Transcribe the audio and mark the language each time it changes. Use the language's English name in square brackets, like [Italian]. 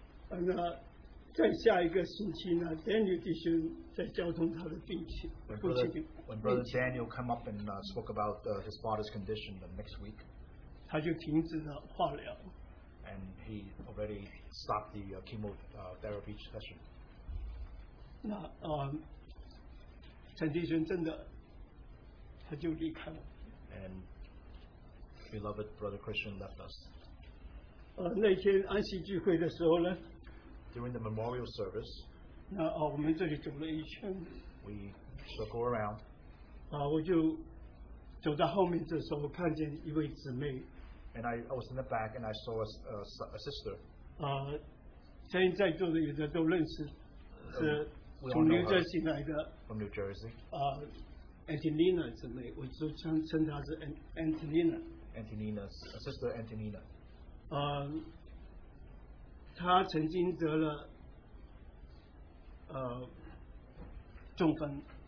[Chinese] 那再下一个星期呢, Daniel弟兄在交通他的病情。 [English] When Brother Daniel came up and spoke about his father's condition the next week, and he already stopped the chemotherapy session. [Chinese] 那, 陈弟兄真的, 他就离开了。 [English] And beloved Brother Christian left us. [Chinese] 那天安息聚会的时候呢, [English] during the memorial service, [Chinese] 那, 我们这里走了一圈, [English] we circle around. [Chinese] 我就走到后面的时候，看见一位姊妹。 [English] And I was in the back, and I saw a sister. [Chinese] 在座的有的都认识，是从纽约来的。 [English] From New Jersey. [Chinese] Antonina姊妹，我就称她是Antonina。 [English] Antonina，sister Antonina. [Chinese] 她曾经得了中风。